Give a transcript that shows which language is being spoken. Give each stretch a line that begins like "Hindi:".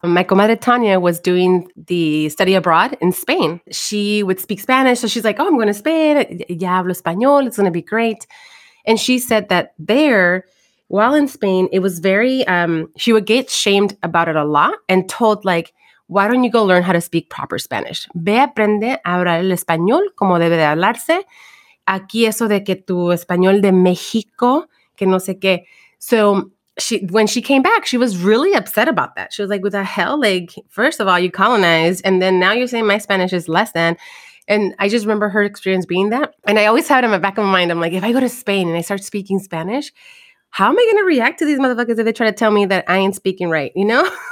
English: My comadre Tanya was doing the study abroad in Spain. She would speak Spanish. So she's like, oh, I'm going to Spain.
Spanish: Ya hablo español.
English: It's going to be great. And she said that there, while in Spain, it was very, she would get shamed about it a lot and told, like, why don't you go learn how to speak proper Spanish?
Spanish: Ve aprende a hablar el español como debe de hablarse. Aquí eso de que tu español de México, que no sé qué.
English: So she, when she came back, she was really upset about that. She was like, what the hell? Like, first of all, you colonized, and then now you're saying my Spanish is less than. And I just remember her experience being that. And I always had in my back of my mind, I'm like, if I go to Spain and I start speaking Spanish, how am I going to react to these motherfuckers if they try to tell me that I ain't speaking right, you know?